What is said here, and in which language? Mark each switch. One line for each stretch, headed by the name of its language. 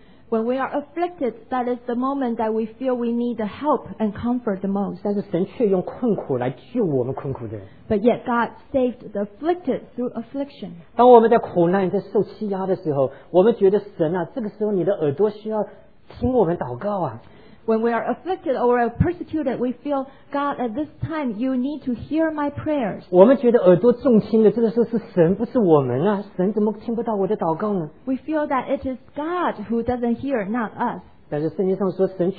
English: When we are afflicted, that is the moment that we feel we need the help and comfort the most.
Chinese: 但是神却用困苦来救我们困苦的人。
English: But yet God saved the afflicted through affliction.
Chinese: 当我们在苦难、在受欺压的时候，我们觉得神啊，这个时候你的耳朵需要听我们祷告啊。
English: When we are afflicted or persecuted, we feel, God, at this time, you need to hear my prayers.
Chinese: 我们觉得耳朵重听的，这个时候是神，不是我们啊！神怎么听不到我的祷告呢？
English: We feel that it is God who doesn't hear, not us.